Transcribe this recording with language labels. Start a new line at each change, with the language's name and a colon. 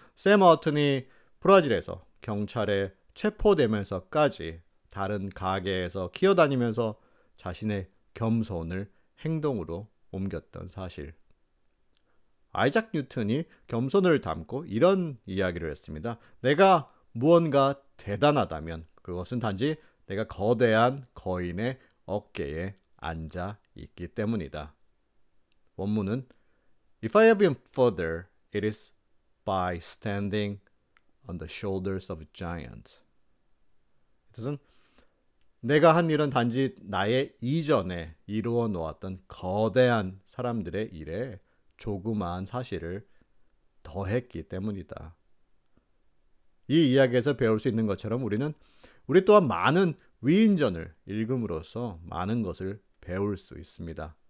Korean: 샘 어튼이 브라질에서 경찰에 체포되면서까지 다른 가게에서 기어다니면서 자신의 겸손을 행동으로 옮겼던 사실. 아이작 뉴턴이 겸손을 담고 이런 이야기를 했습니다. 내가 무언가 대단하다면 그것은 단지 내가 거대한 거인의 어깨에 앉아 있기 때문이다. 원문은
English: If I have been further, it is by standing on the shoulders of giants.
Korean: 뜻은 내가 한 일은 단지 나의 이전에 이루어 놓았던 거대한 사람들의 일에 조그마한 사실을 더했기 때문이다. 이 이야기에서 배울 수 있는 것처럼 우리는 우리 또한 많은 위인전을 읽음으로써 많은 것을 배울 수 있습니다.